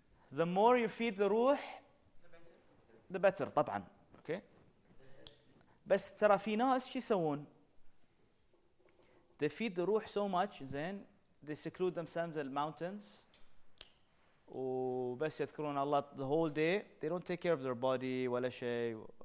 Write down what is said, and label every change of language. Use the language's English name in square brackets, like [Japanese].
[English] The more you feed the ruh, the better. The better, طبعا. [Arabic] Okay? بس ترى في ناس شي يسوون. [English] They feed the ruh so much, then they seclude themselves in the mountains. [Arabic] وبس يذكرون الله [English] the whole day. They don't take care of their body [Arabic] ولا شيء.